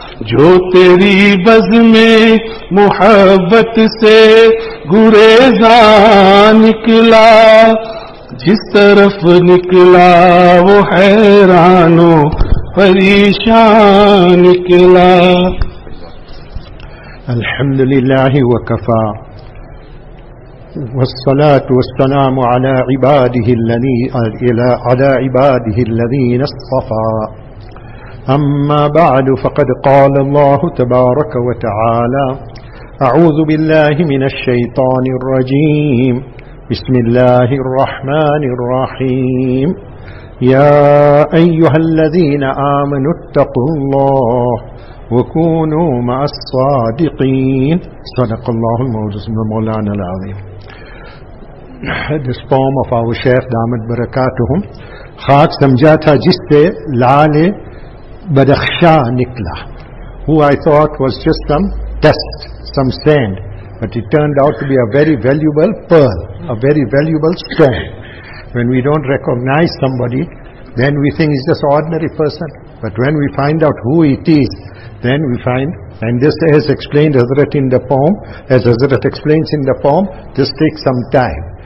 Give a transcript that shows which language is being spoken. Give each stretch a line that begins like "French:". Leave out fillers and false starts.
Urdu: جو تیری بزم میں محبت سے گریزاں نکلا، جس طرف نکلا وہ حیران و پریشان نکلا.
Arabic: الحمد للہ وکفا والصلاة والسلام على عباده الذين اصطفى، أما بعد، فقد قال الله تبارك وتعالى: أعوذ بالله من الشيطان الرجيم، بسم الله الرحمن الرحيم: يا أيها الذين آمنوا اتقوا الله وكونوا مع الصادقين. صدق الله العظيم مولانا العظيم.
English: This poem of our Shaykh Damat Barakatuhum.
Urdu: خاک سمجھا تھا جس پہ لال بدخشاں نکلا.
English: Who I thought was just some dust, some sand, but it turned out to be a very valuable pearl, a very valuable stone. When we don't recognize somebody, then we think he's just an ordinary person. But when we find out who it is, then we find, and this is explained Hazrat in the poem, as Hazrat explains in the poem, this takes some time.